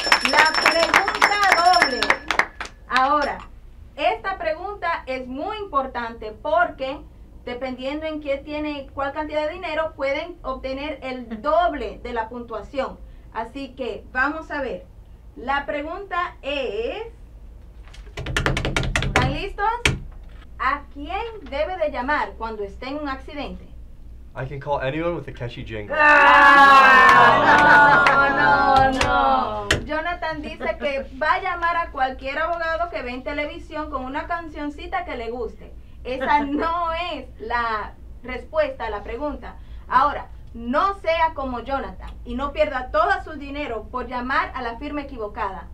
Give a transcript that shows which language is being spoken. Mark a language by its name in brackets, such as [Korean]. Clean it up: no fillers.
[Spanish] La pregunta doble. Ahora, esta pregunta es muy importante porque dependiendo en qué tiene, cuál cantidad de dinero, pueden obtener el doble de la puntuación. Así que vamos a ver. La pregunta es, ¿están listos? ¿A quién debe de llamar cuando esté en un accidente? [English] I can call anyone with a catchy jingle. [Spanish] No. Jonathan dice que va a llamar a cualquier abogado que ve en televisión con una cancioncita que le guste. Esa no es la respuesta a la pregunta. Ahora, no sea como Jonathan y no pierda todo su dinero por llamar a la firma equivocada.